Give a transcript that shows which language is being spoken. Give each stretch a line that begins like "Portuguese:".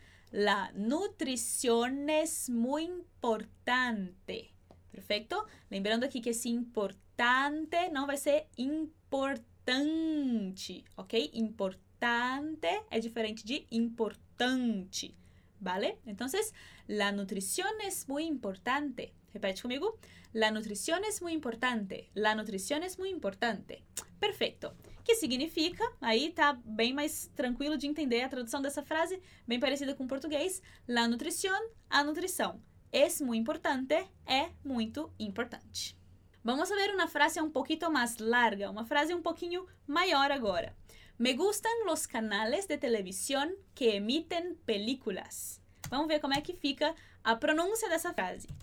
Spanish: La nutrición es muy importante.
Portuguese: Perfeito? Lembrando aqui que esse importante não vai ser importante. Ok? Importante. Importante é diferente de importante, vale?
Spanish: Então, la nutrición es muy importante.
Portuguese: Repete comigo.
Spanish: La nutrición es muy importante. La nutrición es muy importante.
Portuguese: Perfeito. Que significa, aí tá bem mais tranquilo de entender a tradução dessa frase, bem parecida com o português.
Spanish: La nutrición,
Portuguese: a nutrição.
Spanish: Es muy importante,
Portuguese: é muito importante.
Spanish: Vamos a ver una frase un poquito más larga, una frase
Portuguese: un poquinho maior agora.
Spanish: Me gustan los canales de televisión que emiten películas.
Portuguese: Vamos ver como é que fica a pronúncia dessa frase.